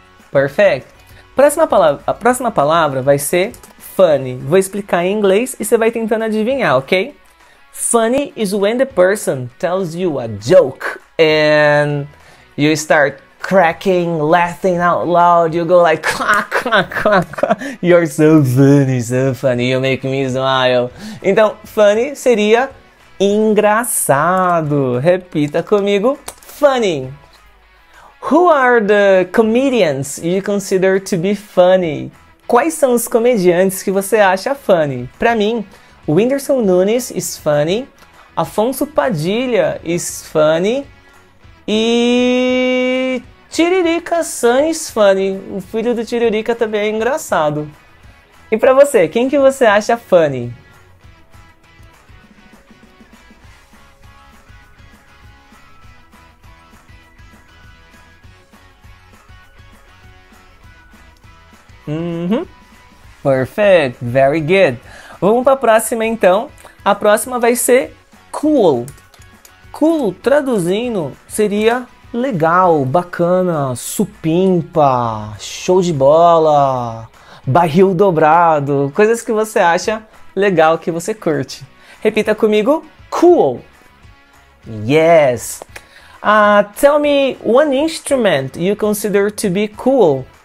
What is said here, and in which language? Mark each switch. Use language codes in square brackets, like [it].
[pt] Perfeito. Próxima palavra vai ser funny. Vou explicar em inglês e você vai tentando adivinhar, ok? [en] Funny is when the person tells you a joke and you start cracking, laughing out loud. You go like, clack, clack, clack, clack. You're so funny, so funny. You make me smile. [pt] Então, funny seria engraçado. Repita comigo, funny. [en] Who are the comedians you consider to be funny? [pt] Quais são os comediantes que você acha funny? Pra mim, o [en] Whindersson Nunes is funny, Afonso Padilha is funny e Tiririca Sam is funny. [pt] O filho do Tiririca também é engraçado. E pra você, quem que você acha funny? [en] Perfect, very good. [pt] Vamos para a próxima então. A próxima vai ser cool. Cool, traduzindo, seria legal, bacana, supimpa, show de bola, barril dobrado, coisas que você acha legal, que você curte. Repita comigo, cool. [en] Yes. Tell me one instrument you consider to be cool.